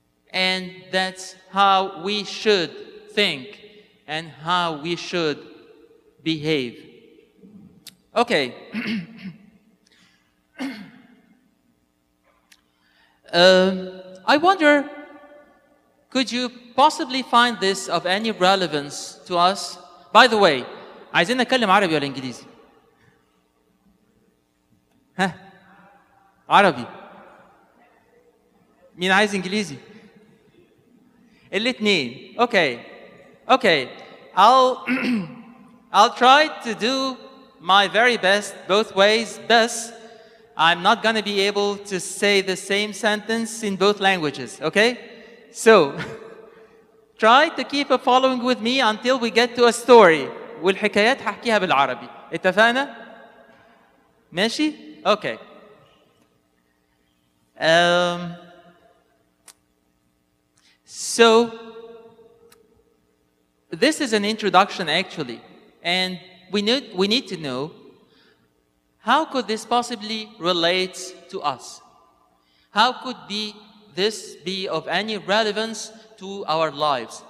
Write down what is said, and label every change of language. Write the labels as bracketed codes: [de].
[en] And that's how we should think and how we should behave. Okay. I wonder, could you possibly find this of any relevance to us? By the way, [ar] عايزين نتكلم عربي ولا انجليزي؟ ها؟ عربي. مين عايز انجليزي؟ الاثنين. [en] Okay. Okay. I'll try to do my very best both ways. Thus, I'm not going to be able to say the same sentence in both languages. Okay? So, try to keep a following with me until we get to a story. [ar] والحكايات هحكيها بالعربي. اتفقنا؟ ماشي؟ [en] Okay. So, this is an introduction actually, and we need to know, how could this possibly relate to us? How could this be of any relevance to our lives?